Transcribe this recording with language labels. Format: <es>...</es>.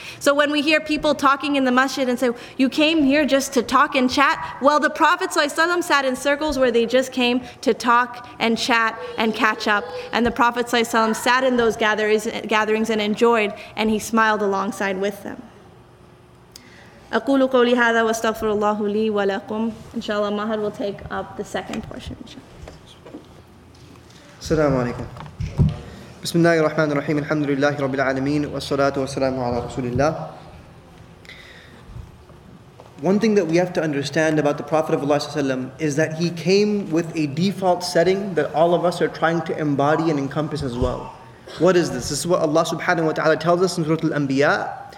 <en>So when we hear people talking in the masjid and say, you came here just to talk and chat? Well, the Prophet ﷺ sat in circles where they just came to talk and chat and catch up. And the Prophet ﷺ sat in those gatherings and enjoyed, and he smiled alongside with them.</en> <ar>أقول قولي هذا واستغفر الله لي ولكم.</ar> <en>Inshallah, Mahad will take up the second portion.</en> <ar>السلام عليكم. بسم الله الرحمن الرحيم الحمد لله رب العالمين والصلاة والسلام على رسول الله.</ar> <en>One thing that we have to understand about the Prophet of Allah ﷺ is that he came with a default setting that all of us are trying to embody and encompass as well. What is this? This is what Allah subhanahu wa ta'ala tells us in Surah Al-Anbiya.</en>